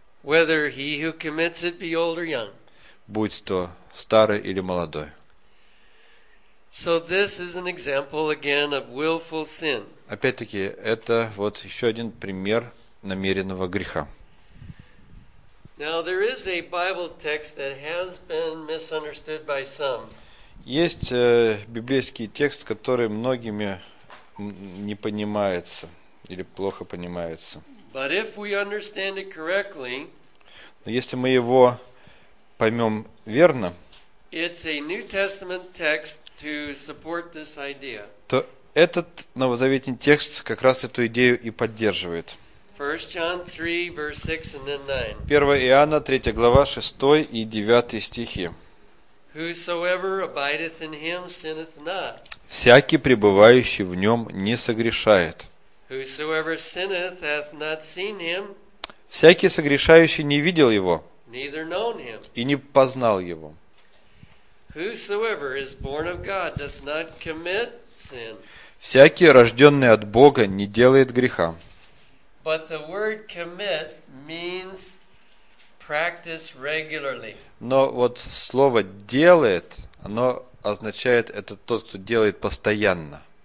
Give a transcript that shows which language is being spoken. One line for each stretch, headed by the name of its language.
English: Whether he who commits it be old or young.
Russian: Будь то старый или молодой.
English: So this is an example again of willful sin.
Russian: Опять-таки, это вот еще один пример намеренного греха.
English: Now there is a Bible text that has been misunderstood by some.
Russian: Есть библейский текст, который многими не понимается или плохо понимается.
English: But if we understand it correctly,
Russian: но если мы его поймем верно,
English: it's a New Testament text to support this idea.
Russian: То этот новозаветный текст как раз эту идею и поддерживает.
English: 1 John 3:6-9.
Russian: 1 Иоанна 3:6-9.
English: Whosoever abideth in him sinneth not.
Russian: Всякий пребывающий в нем не согрешает.
English: Whosoever sinneth hath not seen him.
Russian: Всякий согрешающий не видел его.
English: Neither known him.
Russian: И не познал его.
English: Whosoever is born of God doth not commit sin.
Russian: Всякий рожденный от Бога не делает греха.
English: But the word commit means practice regularly.
Russian: Но вот слово делает, оно означает это тот, кто делает постоянно.